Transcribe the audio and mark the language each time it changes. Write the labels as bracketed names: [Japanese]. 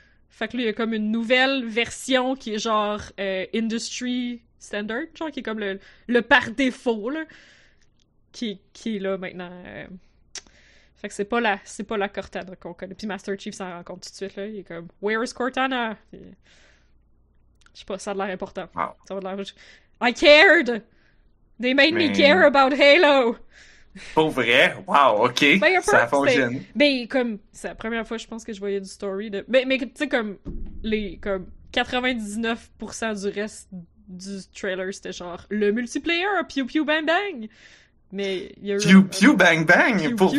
[French] Fait que lui, il y a comme une nouvelle version qui est genre [English] industry standard, [French] genre qui est comme le par défaut, là, qui est là maintenant. Fait que c'est pas la Cortana qu'on connaît. Puis Master Chief s'en rend compte tout de suite, là. Il est comme, [English] where is Cortana? [French] Je sais pas, ça a l'air important. Wow. Ça a l'air. [English] I cared! They made me care about Halo! [French] Pour vrai? Wow, ok. Ben, ça fonctionne. Mais comme, c'est la première fois, je pense, que je voyais du story. Mais tu sais, comme 99% du reste du trailer, c'était genre le multiplayer, piou piou bang bang. Mais il y a eu. Piou piou bang bang, pour vrai.